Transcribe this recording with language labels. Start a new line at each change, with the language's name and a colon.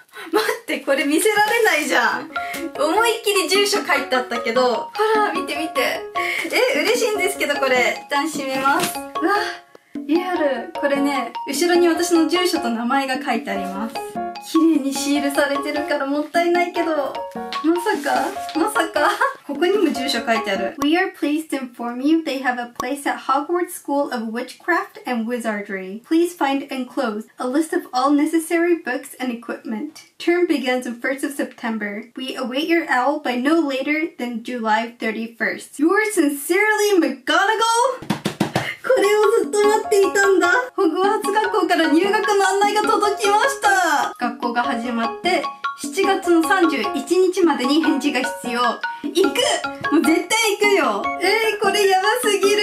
Japanese: 待って、これ見せられないじゃん。思いっきり住所書いてあったけど、ほら、見て見て。え、嬉しいんですけど、これ一旦閉めます。わー、リアル。これね、後ろに私の住所と名前が書いてあります。綺麗にシールされてるからもったいないけど、まさか、まさか。ここにも住所書いてある。
English: We are pleased to inform you they have a place at Hogwarts School of Witchcraft and Wizardry. Please find enclosed a list of all necessary books and equipment. Term begins on 1st of September. We await your owl by no later than July 31st. Yours sincerely, McGonagall!
Japanese: これをずっと待っていたんだ。ホグワーツ学校から入学の案内が届きました。学校が始まって7月の31日までに返事が必要。行く、もう絶対行くよ。これやばすぎる。